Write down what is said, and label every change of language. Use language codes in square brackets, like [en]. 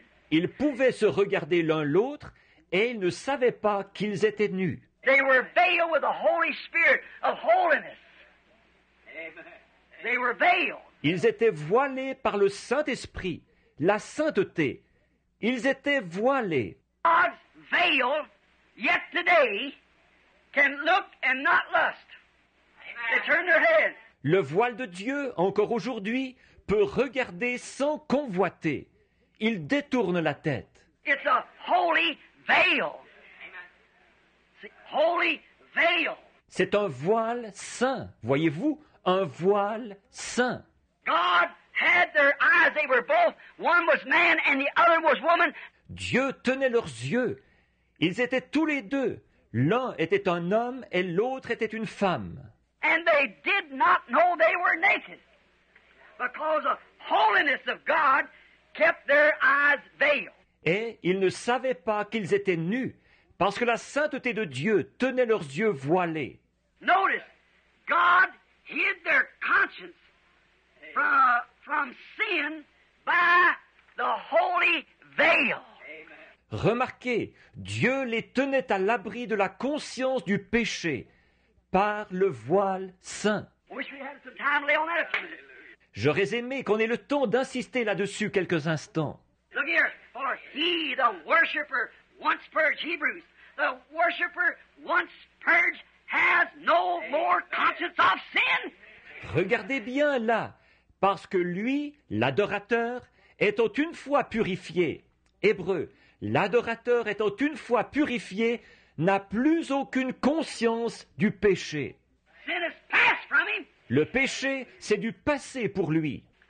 [fr] Ils pouvaient se regarder l'un l'autre et ils ne savaient pas qu'ils étaient nus. [en] They were veiled with the Holy Spirit of holiness. They were veiled. [fr] Ils étaient voilés par le Saint-Esprit, la sainteté. Ils étaient voilés. [en] God's veil yet today can look and not lust. They turn their head. [fr] Le voile de Dieu encore aujourd'hui peut regarder sans convoiter. Il détourne la tête. [en] It's a holy veil. Holy veil. [fr] C'est un voile saint, voyez-vous, un voile saint. [en] God had their eyes. They were both. One was man and the other was woman. [fr] Dieu tenait leurs yeux. Ils étaient tous les deux. L'un était un homme et l'autre était une femme. [en] And they did not know they were naked. Because the holiness of God kept their eyes veiled. [fr] Et ils ne savaient pas qu'ils étaient nus, parce que la sainteté de Dieu tenait leurs yeux voilés. [en] Notice, God hid their conscience from sin by the holy veil. [fr] Remarquez, Dieu les tenait à l'abri de la conscience du péché par le voile saint. [en] Wish we had some time to lay on that a few minutes. [fr] J'aurais aimé qu'on ait le temps d'insister là-dessus quelques instants. [en] Look here, for he, the worshipper, once purged, Hebrews, the worshipper once purged has no more conscience of sin. [fr] Regardez bien là, parce que lui, l'adorateur, étant une fois purifié, Hébreux, l'adorateur étant une fois purifié, n'a plus aucune conscience du péché. [en] Sin is passed from him. [fr] Le péché, c'est du passé pour lui.